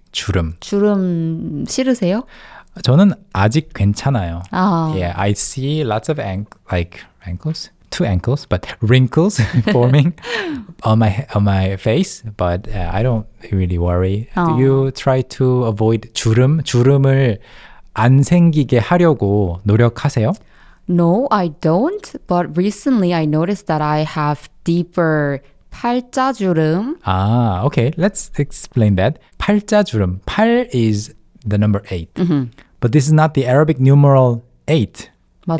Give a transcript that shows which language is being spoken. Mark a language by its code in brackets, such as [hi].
[ko] 주름. 주름 싫으세요? 저는 아직 괜찮아요. 아. [en] Yeah, I see lots of ankles, two ankles, but wrinkles forming on my face, but I don't really worry. 아. Do you try to avoid 주름? [ko] 주름을 안 생기게 하려고 노력하세요? [en] No, I don't, but recently I noticed that I have deeper 팔자주름. Ah, okay. Let's explain that. 팔자주름. 팔 is the number 8. Mm-hmm. But this is not the Arabic numeral 8. [ko] 맞아요.